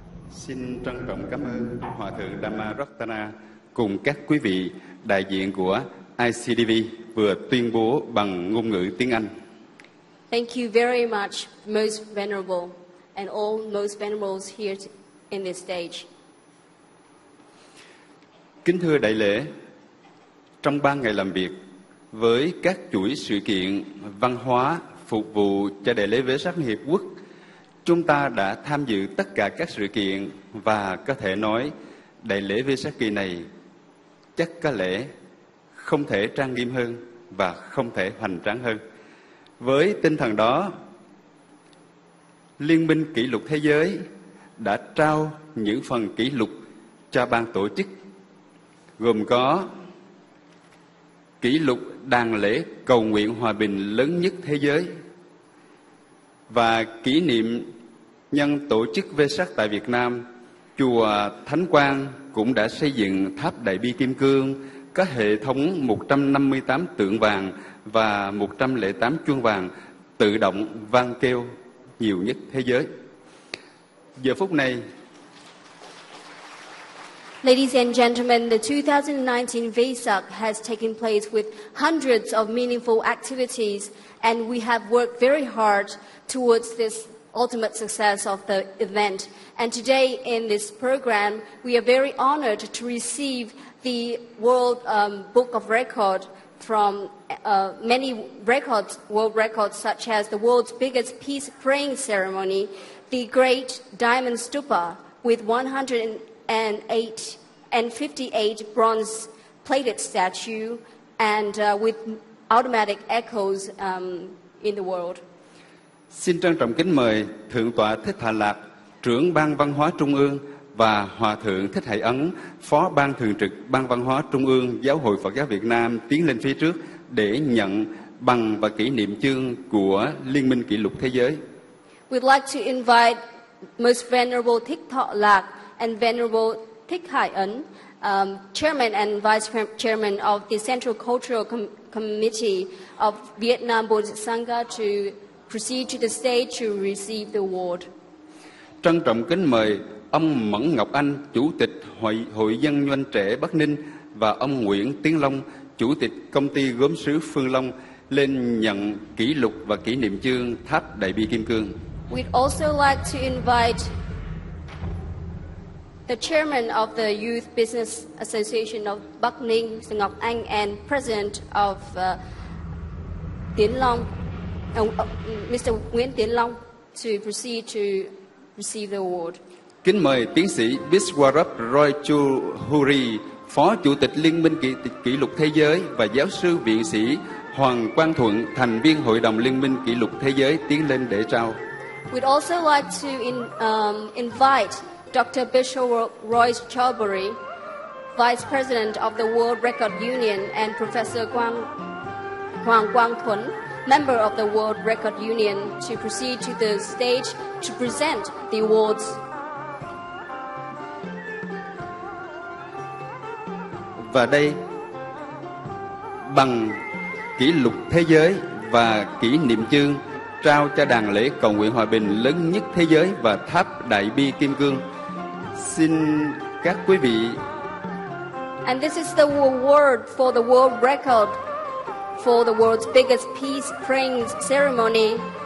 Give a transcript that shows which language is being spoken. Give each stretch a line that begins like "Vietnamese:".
Vietnamese: Xin trân trọng cảm ơn Hòa Thượng Dhamma Ratana cùng các quý vị đại diện của ICDV vừa tuyên bố bằng ngôn ngữ tiếng Anh.
English: Thank you very much, most venerable, and all most venerables here in this stage.
Vietnamese: Kính thưa đại lễ, trong 3 ngày làm việc với các chuỗi sự kiện văn hóa phục vụ cho đại lễ Vesak Liên Hiệp Quốc, chúng ta đã tham dự tất cả các sự kiện và có thể nói đại lễ Vesak kỳ này chắc có lẽ không thể trang nghiêm hơn và không thể hoành tráng hơn. Với tinh thần đó, Liên minh Kỷ lục Thế giới đã trao những phần kỷ lục cho ban tổ chức, gồm có kỷ lục đàn lễ cầu nguyện hòa bình lớn nhất thế giới và kỷ niệm nhân tổ chức Vesak tại Việt Nam, Chùa Thánh Quang cũng đã xây dựng tháp Đại Bi Kim Cương có hệ thống 158 tượng vàng và 108 chuông vàng tự động vang kêu nhiều nhất thế giới. Giờ phút này,
English: ladies and gentlemen, the 2019 Vesak has taken place with hundreds of meaningful activities and we have worked very hard towards this ultimate success of the event. And today in this program, we are very honored to receive the World Book of Record from many records, world records, such as the world's biggest peace praying ceremony, the Great Diamond Stupa with 158 bronze plated statue and with automatic echoes in the world.
Vietnamese: Xin trân trọng kính mời Thượng tọa Thích Hạ Lạc, Trưởng Ban Văn hóa Trung ương và Hòa Thượng Thích Hải Ấn, Phó Ban Thường trực Ban Văn hóa Trung ương Giáo hội Phật giáo Việt Nam tiến lên phía trước để nhận bằng và kỷ niệm chương của Liên minh Kỷ lục Thế giới.
English: We'd like to invite Most Venerable Thích Thọ Lạc and Venerable Thích Hải Ấn, Chairman and Vice Chairman of the Central Cultural Committee of Vietnam Buddhist Sangha to proceed to the stage to receive the award.
Vietnamese: Trân trọng kính mời ông Mẫn Ngọc Anh, Chủ tịch Hội Dân Doanh Trẻ Bắc Ninh và ông Nguyễn Tiến Long, Chủ tịch Công ty Gốm sứ Phương Long lên nhận kỷ lục và kỷ niệm chương tháp Đại Bi Kim Cương.
English: We'd also like to invite the Chairman of the Youth Business Association of Bắc Ninh, Mr. Ngọc Anh, and President of Tiến Long, Mr. Nguyễn Tiến Long, to proceed to receive the award.
Vietnamese: Kính mời Tiến sĩ Biswarup Roy Chuhuri, Phó Chủ tịch Liên minh Kỷ lục Thế giới và Giáo sư Viện sĩ Hoàng Quang Thuận, thành viên Hội đồng Liên minh Kỷ lục Thế giới tiến lên để trao.
English: We'd also like to invite Dr. Bishop Roy Chuhuri, Vice President of the World Record Union, and Professor Hoàng Quang Thuận, member of the World Record Union, to proceed to the stage to present the awards.
Vietnamese: Và đây, bằng kỷ lục thế giới và kỷ niệm chương trao cho đàn lễ cầu nguyện hòa bình lớn nhất thế giới và tháp Đại Bi Kim Cương. Xin các quý vị.
English: And this is the award for the world record for the world's biggest peace praying ceremony,